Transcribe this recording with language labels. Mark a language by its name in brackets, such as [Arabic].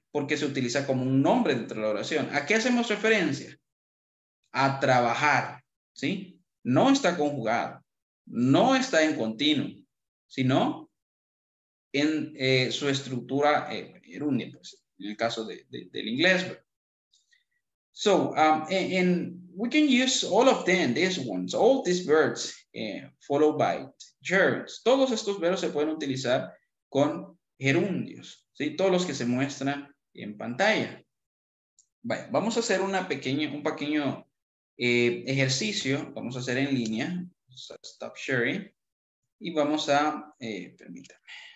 [Spanish] Porque se utiliza como un nombre dentro de la oración. ¿A qué hacemos referencia? A trabajar, ¿sí? No está conjugado, no está en continuo, sino en su estructura gerundia, pues, en el caso del inglés. [English] So, and we can use all of them, these ones, all these verbs, followed by gerunds. [Spanish] Todos estos verbos se pueden utilizar con gerundios, ¿sí? Todos los que se muestran en pantalla. Bueno, vamos a hacer un pequeño ejercicio, vamos a hacer en línea, [English] so stop sharing, [Spanish] y vamos a, permítanme.